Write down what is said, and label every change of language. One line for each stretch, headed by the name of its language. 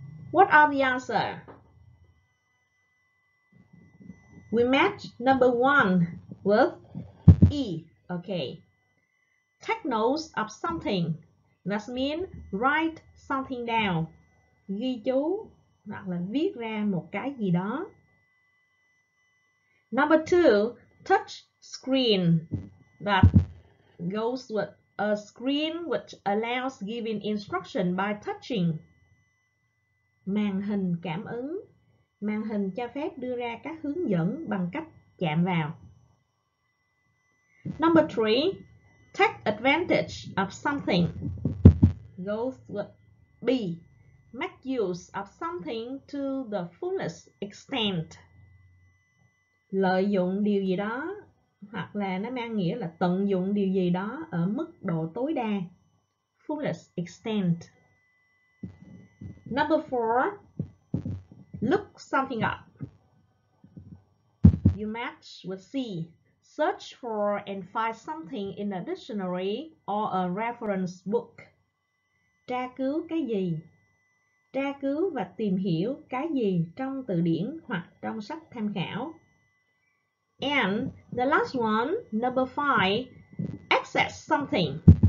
English: What are the answers? We match number one with E, okay. Take notes of something, that means write something down.
Vietnamese: Ghi chú, hoặc là viết ra một cái gì đó.
English: Number two, touch screen, that goes with a screen which allows giving instruction by touching.
Vietnamese: Màn hình cảm ứng, màn hình cho phép đưa ra các hướng dẫn bằng cách chạm vào.
English: Number three, take advantage of something, goes with B, make use of something to the fullest extent.
Vietnamese: Lợi dụng điều gì đó, hoặc là nó mang nghĩa là tận dụng điều gì đó ở mức độ tối đa,
English: fullest extent. Number four, look something up. You match with C, search for and find something in a dictionary or a reference book.
Vietnamese: Tra cứu cái gì? Tra cứu và tìm hiểu cái gì trong từ điển hoặc trong sách tham khảo.
English: And the last one, number five, access something.